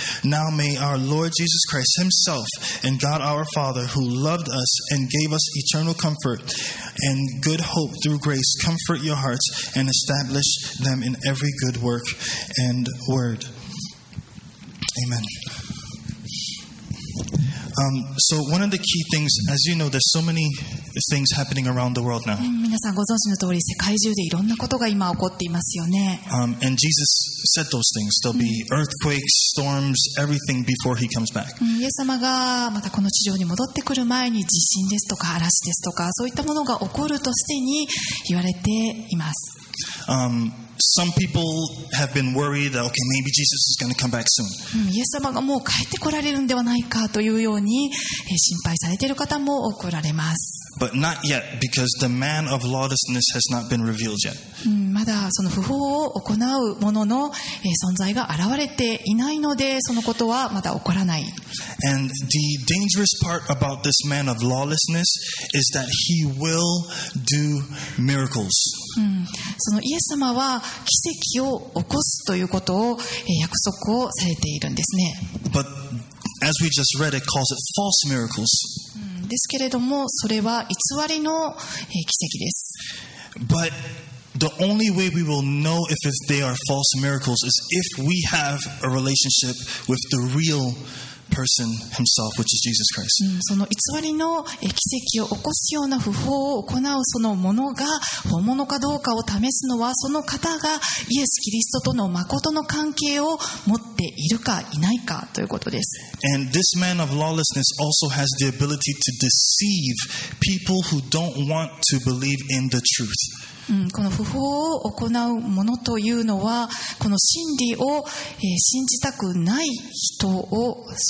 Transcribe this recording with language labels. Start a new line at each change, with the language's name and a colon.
English: Now may our Lord Jesus Christ himself and God our Father, who loved us and gave us eternal comfort and good hope through grace, comfort your hearts and establish them in every good work and word. Amen. So one of the key things, as you know, there's so many things happening around the world now.
Japanese: 皆さんご存知の通り、世界中でいろんなことが今起こっていますよね。
English: And Jesus said those things. There'll be earthquakes, storms, everything before he comes back.
Japanese: イエス様がまたこの地上に戻ってくる前に地震ですとか嵐ですとかそういったものが起こるとすでに言われています。
English: Some people have been worried that, okay, maybe Jesus is going to come back soon.
Japanese: イエス様がもう帰ってこられるんではないかというように心配されている方も多くおられます。
English: But not yet, because the man of lawlessness has not been revealed yet.
Japanese: まだその不法を行う者の存在が現れていないので、そのことはまだ起こらない。
English: And the dangerous part about this man of lawlessness is that he will do miracles.
Japanese: そのイエス様は奇跡を起こすということを約束をされているんですね。
English: But as we just read, it calls it false miracles.
Japanese: ですけれどもそれは偽りの奇跡です。
English: But the only way we will know if they are false miracles is if we have a relationship with the real person himself, which is Jesus Christ.
Japanese: その偽りの奇跡を起こすような不法を行うそのものが本物かどうかを試すのはその方がイエス・キリストとの誠の関係を持っているかいないかということです。
English: And this man of lawlessness also has the ability to deceive people who don't want to believe in the truth.
Japanese: この不法を行うものというのはこの真理を、信じたくない人を